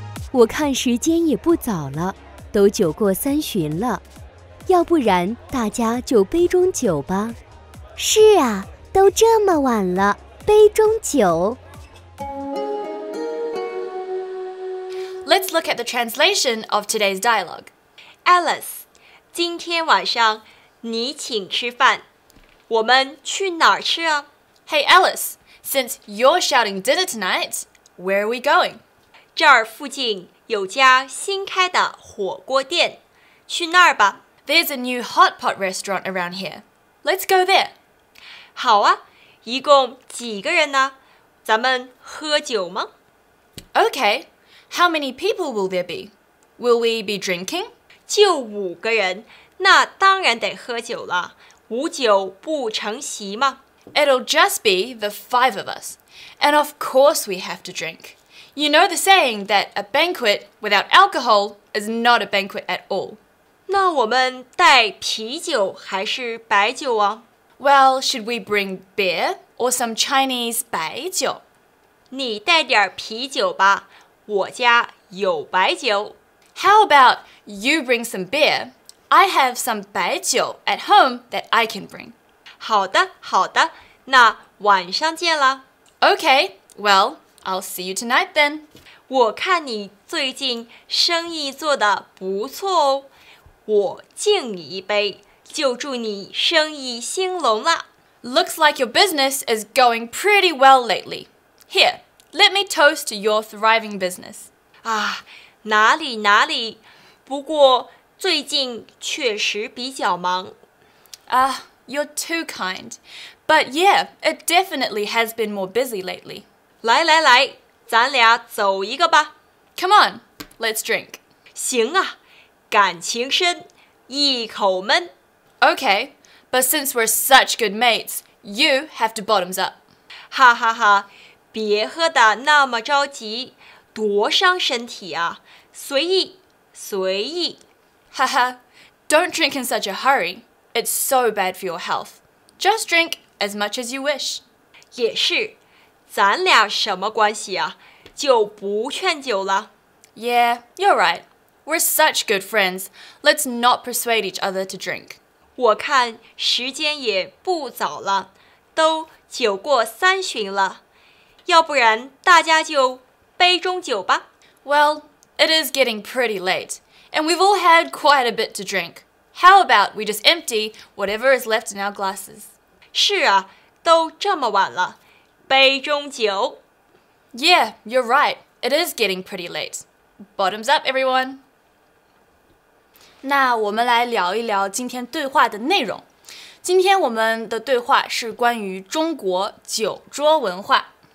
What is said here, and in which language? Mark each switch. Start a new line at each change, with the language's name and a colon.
Chinese: 我看时间也不早了，都酒过三巡了，要不然大家就杯中酒吧。是啊，都这么晚了，杯中酒。
English: Let's look at the translation of today's dialogue.
Chinese: Alice, 今天晚上你请吃饭，我们去哪儿吃啊？
English: Hey Alice, since you're shouting dinner tonight, where are we going?
Chinese: 这儿附近有家新开的火锅店，去那儿吧。
English: There's a new hot pot restaurant around here. Let's go there.
Chinese: 好啊，一共几个人呢？咱们喝酒吗？
English: Okay, how many people will there be? Will we be drinking?
Chinese: 就五个人。那当然得喝酒了，无酒不成席嘛。
English: It'll just be the 5 of us. And of course we have to drink. You know the saying that a banquet without alcohol is not a banquet at all.
Chinese: 那我们带啤酒还是白酒啊？
English: Well, should we bring beer or some Chinese 白酒？
Chinese: 你带点啤酒吧，我家有白酒。
English: How about you bring some beer? I have some 白酒 at home that I can bring.
Chinese: 好的，好的，那晚上见啦。
English: Okay, well, I'll see you tonight then.
Chinese: 我看你最近生意做得不错哦，我敬你一杯，就祝你生意兴隆啦。
English: Looks like your business is going pretty well lately. Here, let me toast to your thriving business.
Chinese: 啊，哪里哪里，不过最近确实比较忙。
English: You're too kind. But yeah, it definitely has been more busy lately.
Chinese: 来来来，咱俩走一个吧。
English: Come on, let's drink.
Chinese: 行啊，感情深，一口闷。
English: Okay, But since we're such good mates, you have to bottoms up.
Chinese: 哈哈哈，别喝得那么着急，多伤身体啊，随意，随意。
English: 哈哈，don't drink in such a hurry. It's so bad for your health. Just drink as much as you wish.
Chinese: 也是，咱俩什么关系啊，就不劝酒了。
English: Yeah, you're right. We're such good friends. Let's not persuade each other to drink.
Chinese: 我看时间也不早了，都酒过三巡了，要不然大家就杯中酒吧。
English: Well, it is getting pretty late. And we've all had quite a bit to drink. How about we just empty whatever is left in our glasses?
Chinese: 是啊，都这么晚了，杯中酒。
English: Yeah, you're right. It is getting pretty late. Bottoms up, everyone.
Chinese: 那我们来聊一聊今天对话的内容。今天我们的对话是关于中国酒桌文化。